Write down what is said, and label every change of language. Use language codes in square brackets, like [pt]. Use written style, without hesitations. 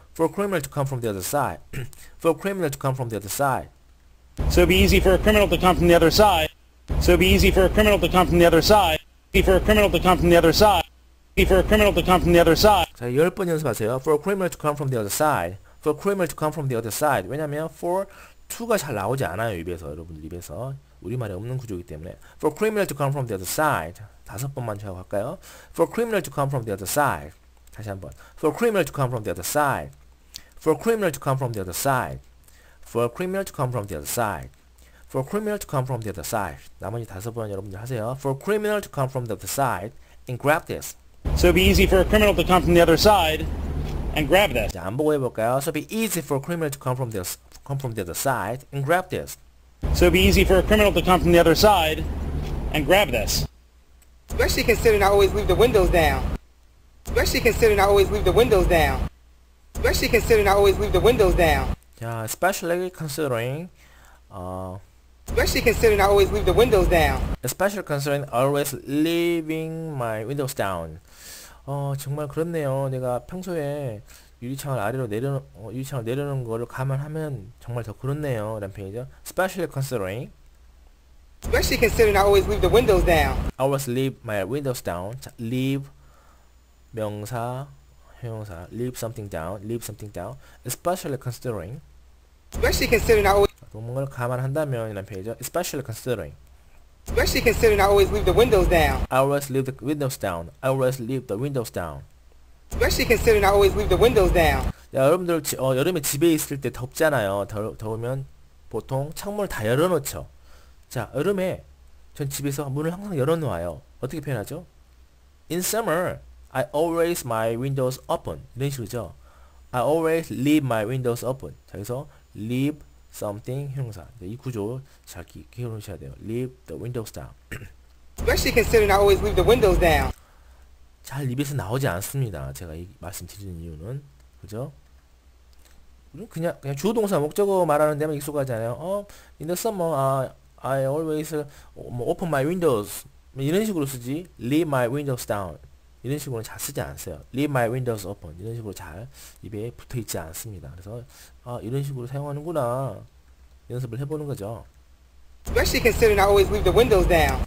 [en] For a criminal to come from the other side. For a criminal to come from the other side. So it'd be easy for a criminal to come from the other side. So it'd be easy for a criminal to come from the other side. Easy for a criminal to come from the other side. Easy for a criminal to come from the other side. [ko] 자, 열 번 연습하세요. [en] For a criminal to come from the other side. For a criminal to come from the other side. [ko] 왜냐면 for to가 잘 나오지 않아요 입에서 여러분들 입에서 우리 말에 없는 구조이기 때문에. [en] For a criminal to come from the other side. [ko] 다섯 번만 하고 할까요? [en] For a criminal to come from the other side. [ko] 다시 한 번. [en] For a criminal to come from the other side. For a criminal to come from the other side. For a criminal to come from the other side. For a criminal to come from the other side. [ko] 나머지 다섯 번 여러분들 하세요. [en] For a criminal to come from the other side and grab this. So it'd be easy for a criminal to come from the other side and grab this. [ko] 자, 안 보고 해볼까요? [en] So it'd be easy for a criminal to come from the other side and grab this. So it'd be easy for a criminal to come from the other side and grab this. Especially considering I always leave the windows down. Especially considering I always leave the windows down. Especially considering I always leave the windows down. Yeah, especially considering, especially considering I always leave the windows down. Especially considering always leaving my windows down. [ko] 정말 그렇네요. 내가 평소에 유리창을 아래로 내려 유리창을 내려놓은 거를 감안하면 정말 더 그렇네요. 남편이죠. [en] Especially considering. Especially considering I always leave the windows down. I always leave my windows down. 자, leave 명사 형용사 leave something down. Leave something down. Especially considering. Especially considering I always [ko] 그런 걸 감안한다면 이런 표현이죠. [en] Especially considering. Especially considering I always leave the windows down. I always leave the windows down. I always leave the windows down. Especially considering I always leave the windows down. [ko] 야, 여러분들 여름에 집에 있을 때 덥잖아요. 더우면 보통 창문을 다 열어놓죠. 자, 여름에 전 집에서 문을 항상 열어놓아요. 어떻게 표현하죠? [en] In summer, I always my windows open. [ko] 이런 식이죠. [en] I always leave my windows open. 자, 그래서 leave something 형사. [ko] 이 구조 잘 기억해놓으셔야 돼요. [en] Leave the windows down. Especially considering I always leave the windows down. [ko] 잘 입에서 나오지 않습니다. 제가 이 말씀 드리는 이유는. 그죠? 그냥 주어동사 목적어 말하는 데만 익숙하잖아요. [en] In the summer, I always open my windows. [ko] 이런 식으로 쓰지. [en] Leave my windows down. [ko] 이런 식으로는 잘 쓰지 않아요. [en] Leave my windows open. [ko] 이런 식으로 잘 입에 붙어 있지 않습니다. 그래서 이런 식으로 사용하는구나. 연습을 해보는 거죠. [en] Especially considering I always leave the windows down.